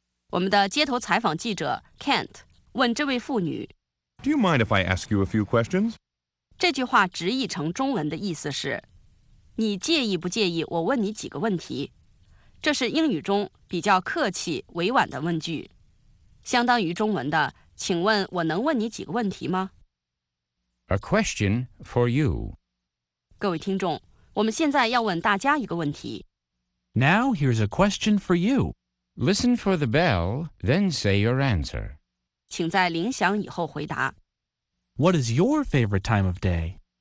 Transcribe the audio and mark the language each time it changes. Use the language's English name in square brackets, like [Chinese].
[Chinese] 我们的街头采访记者 Kent 问这位妇女 [English] Do you mind if I ask you a few questions? [Chinese] 这句话直译成中文的意思是你介意不介意我问你几个问题这是英语中比较客气委婉的问句相当于中文的请问我能问你几个问题吗 [English] A question for you [Chinese] 各位听众我们现在要问大家一个问题 [English] Now here's a question for youListen for the bell, then say your answer. [Chinese] 请在铃响以后回答。 [English] What is your favorite time of day?